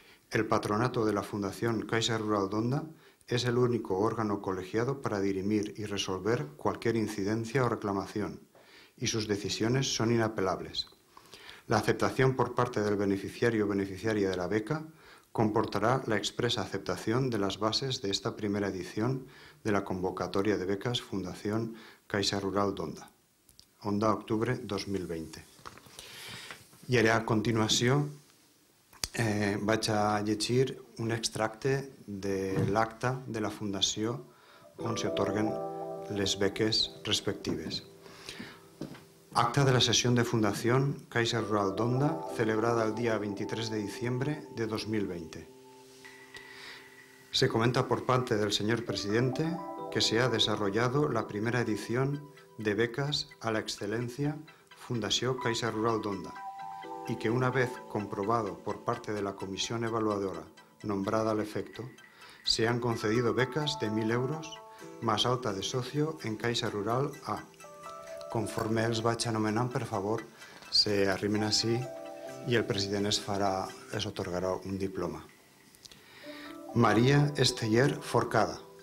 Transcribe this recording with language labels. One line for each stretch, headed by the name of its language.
Spanish: El patronato de la Fundación Caixa Rural d'Onda es el único órgano colegiado para dirimir y resolver cualquier incidencia o reclamación, y sus decisiones son inapelables. La aceptación por parte del beneficiario o beneficiaria de la beca comportará la expresa aceptación de las bases de esta primera edición de la convocatoria de becas Fundación Caixa Rural d'Onda, Onda octubre 2020.
Catalan: I ara, a continuació, vaig a llegir un extracte de l'acta de la Fundació on s'otorguen les beques respectives. Acta de la sessió de Fundació Caixa Rural d'Onda, celebrada el dia 23 de diciembre de 2020.
Spanish: Se comenta por parte del señor presidente que se ha desarrollado la primera edición de becas a la excelencia Fundació Caixa Rural d'Onda, y que una vez comprobado por parte de la comisión evaluadora nombrada al efecto, se han concedido becas de 1.000 euros más alta de socio en Caixa Rural A.
Catalan: Conforme els vaig anomenant, per favor, se arrimen així i el president es otorgarà un diploma. Maria Esteller Forcada.